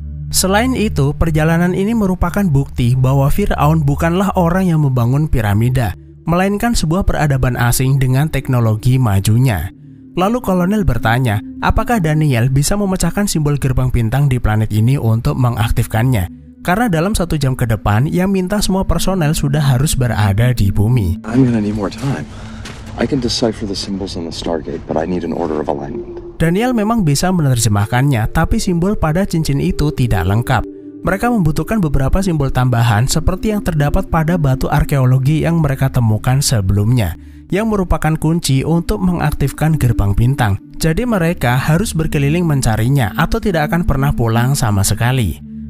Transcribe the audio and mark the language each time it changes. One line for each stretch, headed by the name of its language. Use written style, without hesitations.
Indonesian: Selain itu, perjalanan ini merupakan bukti bahwa Fir'aun bukanlah orang yang membangun piramida, melainkan sebuah peradaban asing dengan teknologi majunya. Lalu kolonel bertanya, apakah Daniel bisa memecahkan simbol gerbang bintang di planet ini untuk mengaktifkannya? Karena dalam 1 jam ke depan, ia minta semua personel sudah harus berada di bumi.
English: I'm gonna need more time. I can decipher the symbols on the Stargate, but I need an order of alignment.
Indonesian: Daniel memang bisa menerjemahkannya, tapi simbol pada cincin itu tidak lengkap. Mereka membutuhkan beberapa simbol tambahan seperti yang terdapat pada batu arkeologi yang mereka temukan sebelumnya, yang merupakan kunci untuk mengaktifkan gerbang bintang. Jadi mereka harus berkeliling mencarinya atau tidak akan pernah pulang sama sekali.